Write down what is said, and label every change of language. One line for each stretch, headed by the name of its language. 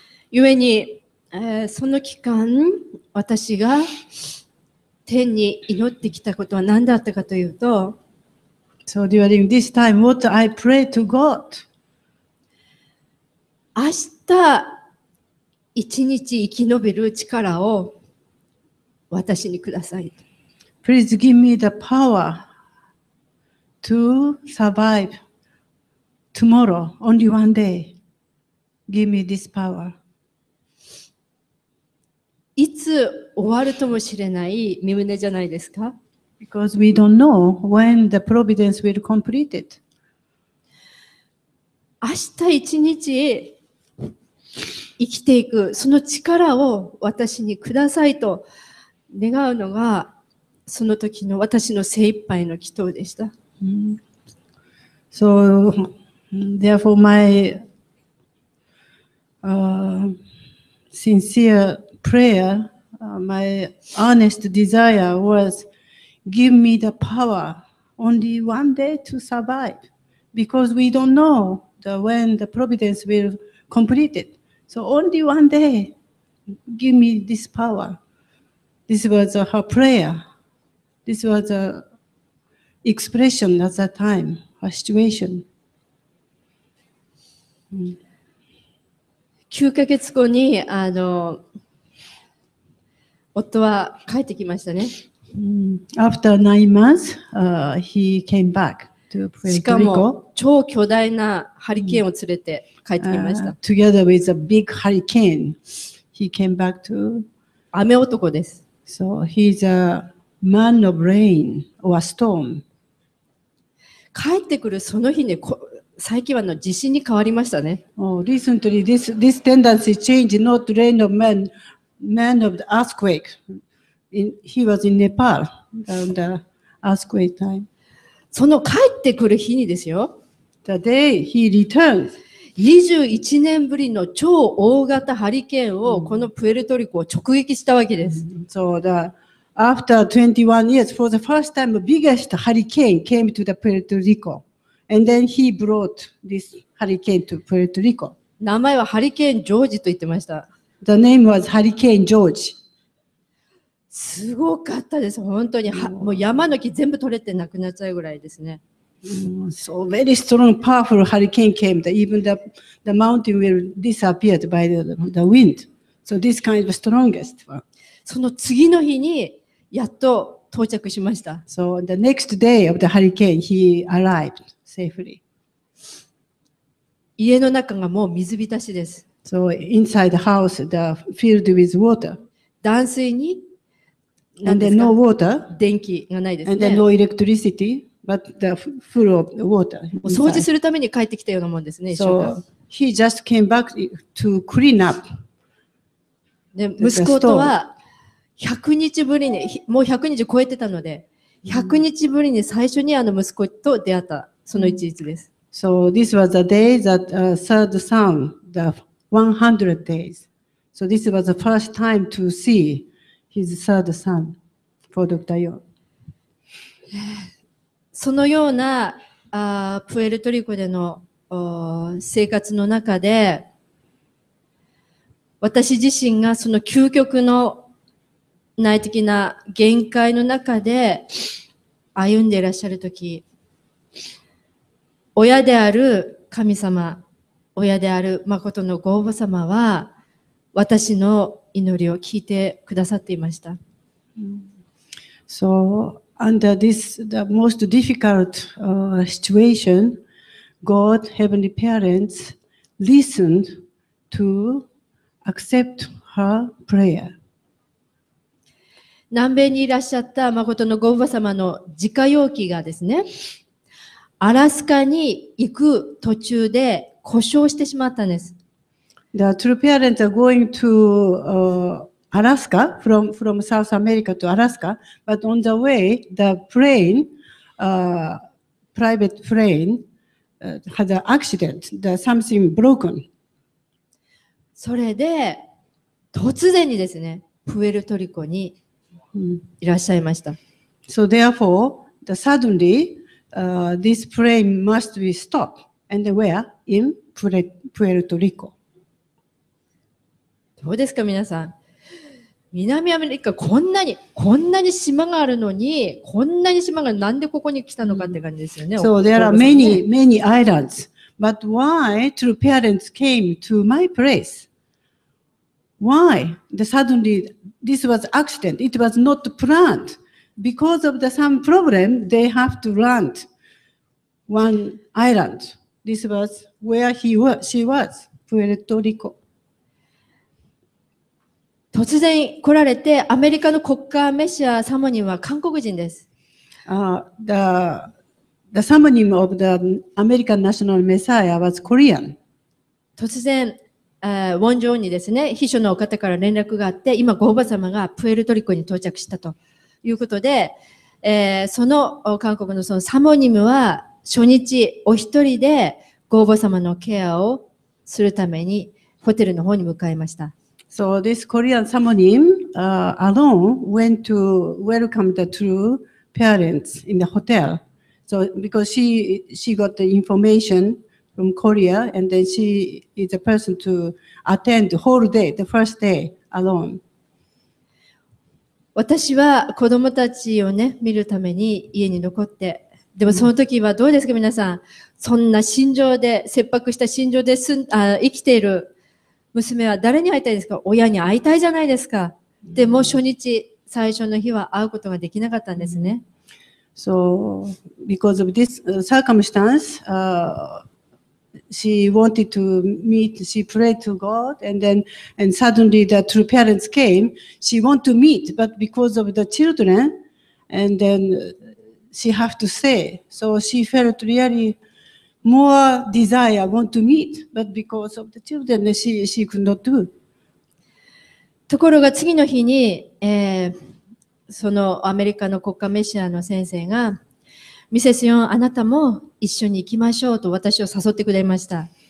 Japanese: ゆえに、その期間、私が天に祈ってきたことは何だったかというと、
English: So during this time, what I pray to God?
Japanese: 明日、一日生き延びる力を私にください。
English: Please give me the power to survive tomorrow, only one day. Give me this power.
Japanese: いつ終わるともしれない身胸じゃないですか?
English: Because we don't know when the providence will complete it.
Japanese: 明日一日生きていくその力を私にくださいと願うのがその時の私の精一杯の祈祷でした。
English: So, therefore, my sincere prayer, my honest desire was, give me the power only one day to survive, because we don't know when the providence will complete it. So only one day, give me this power. This was her prayer. This was an expression at that time, a situation.
Japanese: 9ヶ月後に夫は帰ってきましたね。
English: After 9 months, he came back to Puerto Rico.
Japanese: しかも超巨大なハリケーンを連れて帰ってきました。
English: Together with a big hurricane, he came back to.
Japanese: 雨男です。
English: So he's aMan of rain or a storm.
Japanese: 帰ってくるその日ね、最近は地震に変わりましたね。
English: Oh, recently, this tendency changed. Not rain of man of the earthquake. He was in Nepal on the earthquake time.
Japanese: その帰ってくる日にですよ。
English: The day he returned.
Japanese: 21年ぶりの超大型ハリケーンをこのプエルトリコを直撃したわけです。
English: So theAfter 21 years, for the first time, the biggest hurricane came to the Puerto Rico. And then he brought this hurricane to Puerto Rico.
Japanese: 名前はハリケーン・ジョージと言ってました。
English: The name was Hurricane George.
Japanese: すごかったです。本当に。もう山の木全部取れてなくなっちゃうぐらいですね。
English: So very strong, powerful hurricane came. Even the mountain will disappear by the wind. So this kind of strongest one.
Japanese: その次の日にやっと到着しました。
English: So the next day of the hurricane, he arrived safely.
Japanese: 家の中がもう水浸しです。
English: So inside the house, the filled with water.
Japanese: 断水に、
English: And then no water.
Japanese: 電気がないですね。
English: And then no electricity, but the full of water.
Japanese: 掃除するために帰ってきたようなもんですね。
English: So he just came back to clean up.
Japanese: で、息子とは100日ぶりに、もう100日超えてたので、100日ぶりに最初に息子と出会った、その一日です。
English: So this was the day that third son, the 100 days. So this was the first time to see his third son for Dr. Yeon.
Japanese: そのようなプエルトリコでの生活の中で、私自身がその究極の内的な限界の中で歩んでいらっしゃるとき、親である神様、親である誠のご父様は私の祈りを聞いてくださっていました。
English: So under this the most difficult situation, God Heavenly Parents listened to accept her prayer.
Japanese: 南米にいらっしゃった誠のご父様の自家用機がですね、アラスカに行く途中で故障してしまったんです。
English: The true parents are going to Alaska from South America to Alaska, but on the way the plane, private plane, had an accident. The something broken.
Japanese: それで突然にですね、プエルトリコにいらっしゃいました。
English: So therefore, the suddenly, this plane must be stopped. And where? In? プエルトリコ。
Japanese: どうですか皆さん、南アメリカこんなに島があるのに、こんなに島がなんでここに来たのかって感じですよね。
English: So there are many many islands, but why true parents came to my place? Why the suddenly this was accident? It was not planned. Because of the some problem, they have to land one island. This was where he was, she was, Puerto Rico.
Japanese: 突然来られて、アメリカの国家メシア様には韓国人です。
English: The summoning of the American National Messiah was Korean.
Japanese: 突然、ウォンジョンにですね、秘書の方から連絡があって、今、ご父様がプエルトリコに到着したということで、その韓国のそのサモニムは、初日お一人でご父様のケアをするためにホテルの方に向かいました。
English: So this Korean summonim alone went to welcome the true parents in the hotel. So because she got the information from Korea and then she is a person to attend the whole day, the first day alone.
Japanese: 私は子供たちをね見るために家に残って。でもその時はどうですか皆さん、そんな心情で切迫した心情で生きている娘は誰に会いたいですか、親に会いたいじゃないですか。でも初日最初の日は会うことができなかったんですね。
English: So because of this circumstance, she wanted to meet, she prayed to God, and suddenly the true parents came. She want to meet, but because of the children, and then. She have to stay. So she felt really more desire, want to meet, but because of the children, she could not do.
Japanese: ところが次の日に、そのアメリカの国家メシアの先生が、ミセスヨン、あなたも一緒に行きましょうと私を誘ってくれました。